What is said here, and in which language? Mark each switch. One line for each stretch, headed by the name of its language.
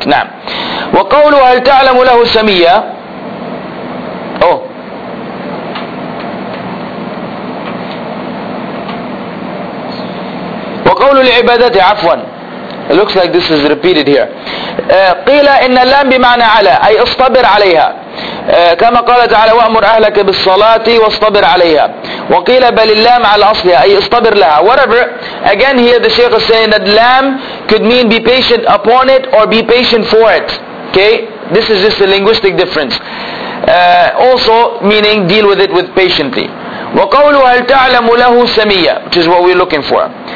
Arabic: Naam. وَقَوْلُ هَلْ تَعْلَمُ لَهُ سَمِيَّةً. Oh. وَقَوْلُ لِعِبَادَةِ عَفْوًا.
English: It looks like this is repeated here.
Arabic: قِيلَ إِنَّ اللَّامِ بِمَعْنَى عَلَى, أي اصطبر عليها. كما قال تعالى وَأْمُرْ أَهْلَكَ بِالصَّلَاةِ وَاصْطَبِرْ عَلَيْهَا. وَقِيلَ بَلِ اللَّامِ عَلَى أَصْلِهَا, أي اصطبر لها.
English: Whatever. Again here the Shaykh is saying that lam could mean be patient upon it or be patient for it. Okay, this is just a linguistic difference. Also meaning deal with it with patiently. وَقَوْلُ هَلْ تَعْلَمُ لَهُ سَمِيَّةً, which is what we're looking for.